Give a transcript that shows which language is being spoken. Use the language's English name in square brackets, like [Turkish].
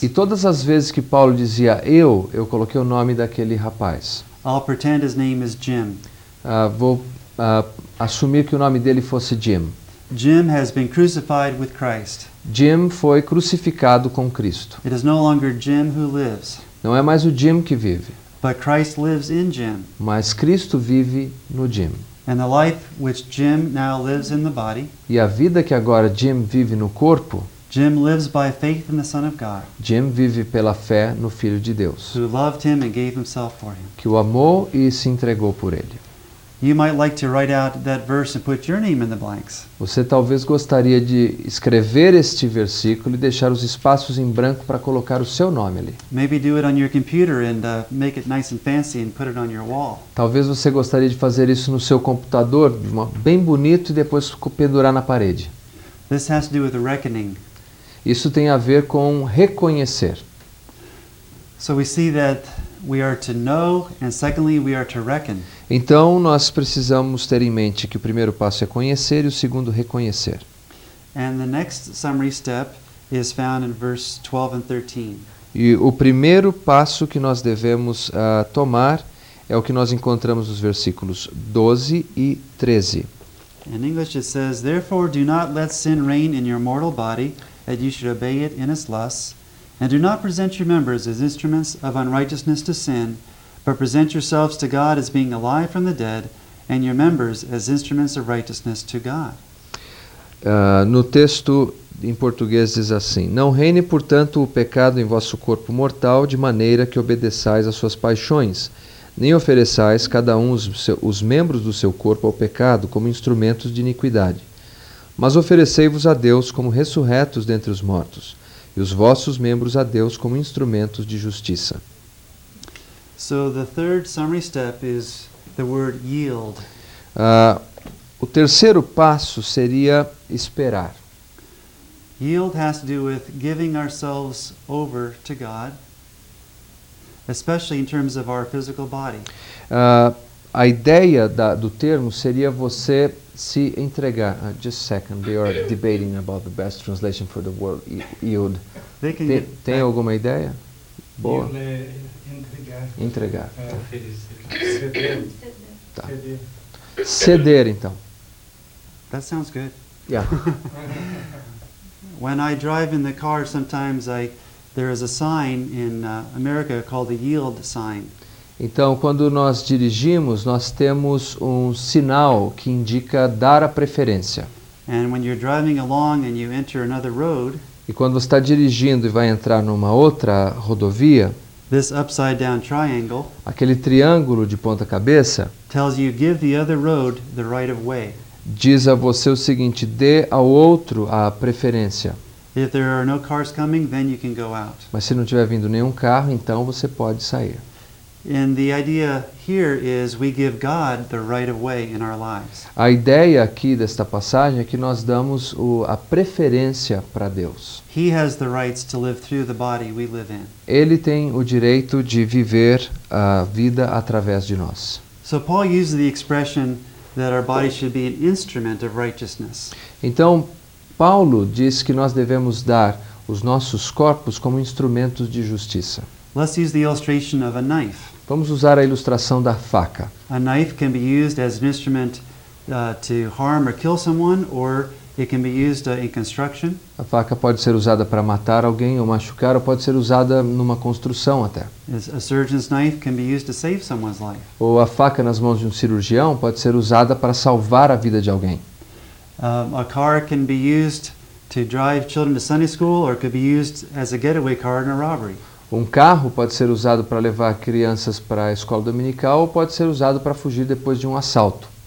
[Portuguese] E todas as vezes que Paulo dizia eu coloquei o nome daquele rapaz. [English] I'll pretend his name is Jim. [Portuguese] Vou assumir que o nome dele fosse Jim. [English] Jim has been crucified with Christ. [Portuguese] Jim foi crucificado com Cristo. [English] It is no longer Jim who lives. [Portuguese] Não é mais o Jim que vive. [English] But Christ lives in Jim. [Portuguese] Mas Cristo vive no Jim. [English] And the life which Jim now lives in the body. [Portuguese] E a vida que agora Jim vive no corpo. [English] Jim lives by faith in the Son of God. [Portuguese] Jim vive pela fé no Filho de Deus. [English] Who loved him and gave himself for him. [Portuguese] Que o amou e se entregou por ele. [English] You might like to write out that verse and put your name in the blanks. [Portuguese] Você talvez gostaria de escrever este versículo e deixar os espaços em branco para colocar o seu nome ali. [English] Maybe do it on your computer and make it nice and fancy and put it on your wall. [Portuguese] Talvez você gostaria de fazer isso no seu computador, bem bonito, e depois pendurar na parede. [English] This has to do with reckoning. [Portuguese] Isso tem a ver com reconhecer. [English] So we see that we are to know, and secondly, we are to reckon. [Portuguese] Então, nós precisamos ter em mente que o primeiro passo é conhecer e o segundo, reconhecer. [English] And the next summary step is found in verse 12 and 13. [Portuguese] E o primeiro passo que nós devemos tomar é o que nós encontramos nos versículos 12 e 13. [English] In English it says, therefore do not let sin reign in your mortal body, that you should obey it in its lusts, and do not present your members as instruments of unrighteousness to sin, but present yourselves to God as being alive from the dead, and your members as instruments of righteousness to God. [Portuguese] No texto em português diz assim: não reine, portanto, o pecado em vosso corpo mortal, de maneira que obedeçais às suas paixões, nem ofereçais cada um os membros do seu corpo ao pecado como instrumentos de iniquidade, mas oferecei-vos a Deus como ressurretos dentre os mortos, e os vossos membros a Deus como instrumentos de justiça. [English] So the third summary step is the word yield. [Portuguese] O terceiro passo seria esperar. [English] Yield has to do with giving ourselves over to God, especially in terms of our physical body. [Portuguese] A ideia do termo seria você se entregar. [English] Just a second, they are debating about the best translation for the word yield. [Portuguese] Tem alguma ideia? Boa. Entregar. Ceder. Ceder, então. [English] That sounds good. Yeah. When I drive in the car, sometimes there is a sign in America called the yield sign. [Portuguese] Então, quando nós dirigimos, nós temos um sinal que indica dar a preferência. [English] And when you're driving along and you enter another road, [Portuguese] e quando você está dirigindo e vai entrar numa outra rodovia, [English] this upside down triangle, [Portuguese] aquele triângulo de ponta cabeça, [English] tells you give the other road the right of way. [Portuguese] Diz a você o seguinte: dê ao outro a preferência. [English] If there are no cars coming, then you can go out. [Portuguese] Mas se não tiver vindo nenhum carro, então você pode sair. [English] And the idea here is we give God the right of way in our lives. [Portuguese] A ideia aqui desta passagem é que nós damos a preferência para Deus. [English] He has the rights to live through the body we live in. [Portuguese] Ele tem o direito de viver a vida através de nós. [English] So Paul uses the expression that our body should be an instrument of righteousness. [Portuguese] Então Paulo diz que nós devemos dar os nossos corpos como instrumentos de justiça. [English] Let's use the illustration of a knife. [Portuguese] Vamos usar a ilustração da faca. [English] A knife can be used as an instrument to harm or kill someone, or it can be used in construction. [Portuguese] A faca pode ser usada para matar alguém ou machucar, ou pode ser usada numa construção até. [English] A surgeon's knife can be used to save someone's life. [Portuguese] Ou a faca nas mãos de um cirurgião pode ser usada para salvar a vida de alguém. [English] A car can be used to drive children to Sunday school, or it could be used as a getaway car in a robbery. [Portuguese] Um carro pode ser usado para levar crianças para a escola dominical ou pode ser usado para fugir depois de um assalto.